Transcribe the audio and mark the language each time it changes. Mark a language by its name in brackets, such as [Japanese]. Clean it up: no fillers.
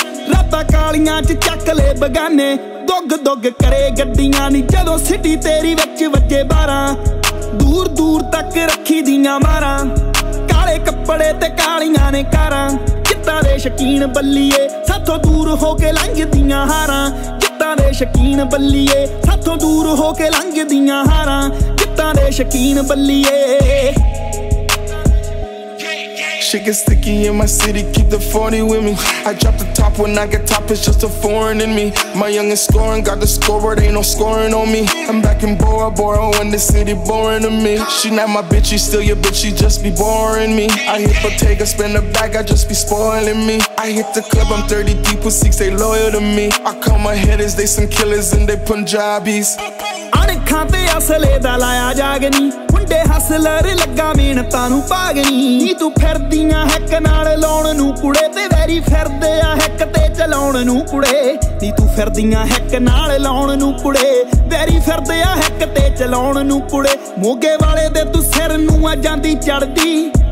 [Punjabi] ਰਾਤਾਂ ਕਾਲੀਆਂ 'ਚ ਚੱਕ ਲੈ ਬਗਾਨੇ ਦੁੱਗ ਦੁੱਗ ਕਰੇ ਗੱਡੀਆਂ ਨੀ ਜਦੋਂ ਸਿੱਟੀ ਤੇਰੀ ਵਿੱਚ ਵੱਜੇ ਬਾਰਾਂ ਦੂਰ ਦੂਰ ਤੱਕ ਰੱਖੀ ਦੀਆਂ ਮਾਰਾਂ ਕਾਲੇ ਕੱਪੜੇ ਤੇ ਕਾਲੀਆਂ ਨੇ ਕਾਰਾਂ ਜਿੱਤਾਂ ਦੇ ਸ਼ਕੀਨ ਬੱਲੀਏ ਸਾਥੋਂ ਦੂਰ ਹੋ ਕੇ ਲੰਘਦੀਆਂ ਹਾਰਾਂ ਜਿੱਤਾਂ ਦੇ ਸ਼ਕੀਨ ਬੱਲੀਏ ਸਾਥੋਂ ਦੂਰ ਹੋ ਕੇ ਲੰਘਦੀਆਂ ਹਾਰਾਂ ਜਿੱਤਾਂ ਦੇ ਸ਼ਕੀਨ ਬੱਲੀਏ [English] She gets sticky in my city, keep the 40 with me. I drop the top when I get top, it's just a foreign in me. My youngest scoring, got the scoreboard, ain't no scoring on me. I'm back in Bora Bora when the city boring to me. She not my bitch, she still your bitch, she just be boring me. I hit Bottega, spend a bag, I just be spoiling me. I hit the club, I'm 30 deep with six, they loyal to me. I call my hitters, they some killers and they Punjabis. [Punjabi] ਅਣ ਖਾਂਦੇ ਹਸਲੇ ਦਾ ਲਾਇਆ ਜਾਗਨੀ ਮੁੰਡੇ ਹਸਲਰ ਲੱਗਾ ਮਿਹਨਤਾਂ ਨੂੰ ਭਾਗਨੀ ਨੀ ਤੂੰ ਫਿਰਦੀਆਂ hack ਨਾਲ ਲਾਉਣ ਨੂੰ ਕੁੜੇ ਤੇ ਵੈਰੀ ਫਿਰਦੇ ਆ ਹੈਕ ਤੇ ਚਲਾਉਣ ਨੂੰ ਕੁੜੇ ਨੀ ਤੂੰ ਫਿਰਦੀਆਂ ਹੈਕ ਨਾਲ ਲਾਉਣ ਨੂੰ ਕੁੜੇ ਵੈਰੀ ਫਿਰਦੇ ਆ ਹੈਕ ਤੇ ਚਲਾਉਣ ਨੂੰ ਕੁੜੇ ਮੋਗੇ ਵਾਲੇ ਦੇ ਤੂੰ ਸਿਰ ਨੂੰ ਆ ਜਾਂਦੀ ਚੜਦੀ